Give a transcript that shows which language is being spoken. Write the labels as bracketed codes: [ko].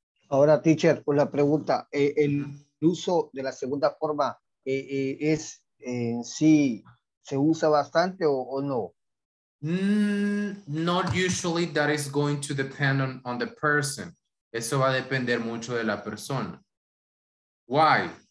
[es] Ahora, teacher, por la pregunta, el uso de la segunda forma es en sí, ¿se usa bastante o no? [en] Not usually, that is going to depend on the person. [es] Eso va a depender mucho de la persona. [en] Why?